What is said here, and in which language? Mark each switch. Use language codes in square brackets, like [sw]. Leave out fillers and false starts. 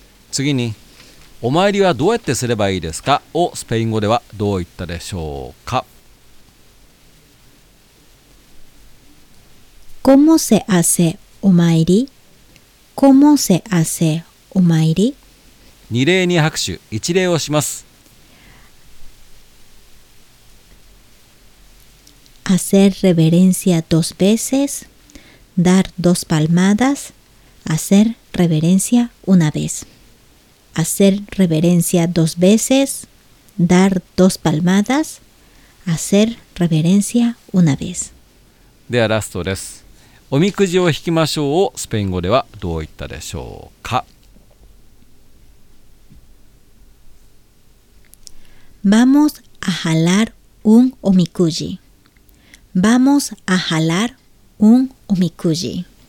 [ja] 次に、お参りはどうやってすればいいですか？をスペイン語ではどう言ったでしょうか？ [es] ¿Cómo se hace omairi? ¿Cómo se hace omairi? [ja] 二礼二拍手、一礼をします。 [es] Hacer reverencia dos veces, dar dos palmadas, hacer reverencia una vez. Hacer reverencia dos veces, dar dos palmadas, hacer reverencia una vez. [ja] ではラストです。おみくじを引きましょうをスペイン語ではどう言ったでしょうか？ [es] Vamos a jalar un omikuji. Vamos a jalar un omikuji.